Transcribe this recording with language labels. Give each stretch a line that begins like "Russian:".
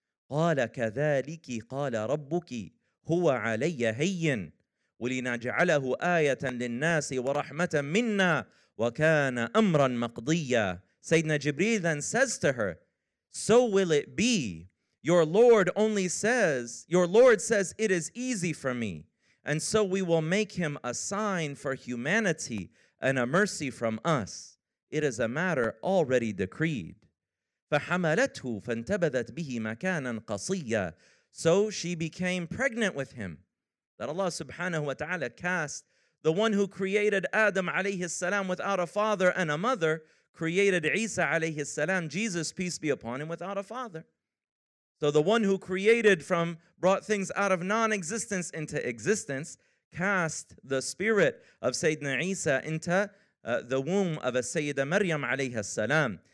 Arabic: قَالَ كَذَلِكِ قَالَ رَبُّكِ هُوَ عَلَيَّ هَيِّنٌ وَلِنَجْعَلَهُ آيَةً لِلنَّاسِ وَرَحْمَةً مِنَّا وَكَانَ أَمْرًا مَقْضِيًّا.
English: Sayyidina Jibreel then says to her, so will it be. Your Lord says it is easy for me. And so we will make him a sign for humanity and a mercy from us. It is a matter already decreed.
Arabic: فحملته فانتبذت به مكانا قصيا.
English: So she became pregnant with him. That Allah subhanahu wa ta'ala cast the one who created Adam alayhi salam without a father and a mother, created Isa alayhi salam, Jesus peace be upon him, without a father. So the one who created from, brought things out of non-existence into existence, cast the spirit of Sayyidina Isa into the womb of a Sayyida Maryam alayhi salam.